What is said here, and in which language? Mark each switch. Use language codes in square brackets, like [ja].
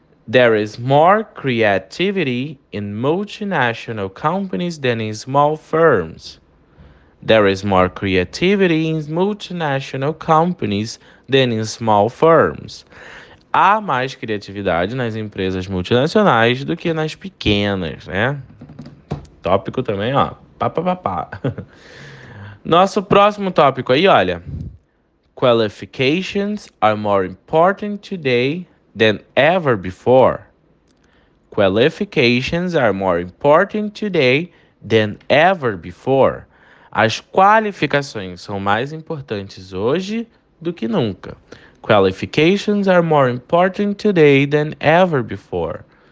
[en] There is more creativity in multinational companies than in small firms. There is more creativity in multinational companies than in small firms. [pt] Há mais criatividade nas empresas multinacionais do que nas pequenas, né? Tópico também, ó. Pá, pá, pá, pá. Nosso próximo tópico aí, olha. [en] Qualifications are more important today than ever before. Qualifications are more important today than ever before. [pt] As qualificações são mais importantes hoje do que nunca. [en] Qualifications are more important today than ever before.